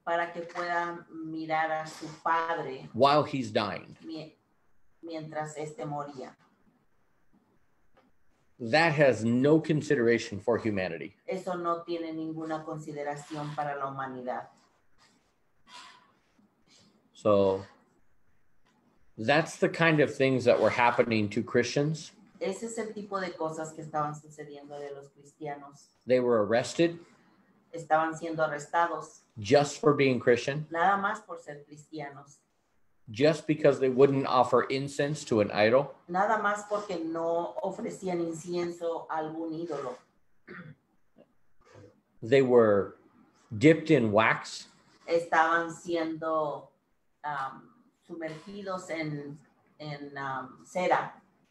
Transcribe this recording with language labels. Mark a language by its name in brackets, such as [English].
[Spanish] para que pueda mirar a su padre, [English] while he's dying, [Spanish] mientras este moría. [English] That has no consideration for humanity. [Spanish] Eso no tiene ninguna consideración para la humanidad. [English] So, that's the kind of things that were happening to Christians. [Spanish] Ese es el tipo de cosas que estaban sucediendo de los cristianos. [English] They were arrested. [Spanish] Estaban siendo arrestados. [English] Just for being Christian. [Spanish] Nada más por ser cristianos. [English] Just because they wouldn't offer incense to an idol. [Spanish] Nada más porque no ofrecían incienso a algún ídolo. [English] They were dipped in wax. [Spanish] Estaban siendo sumergidos en cera.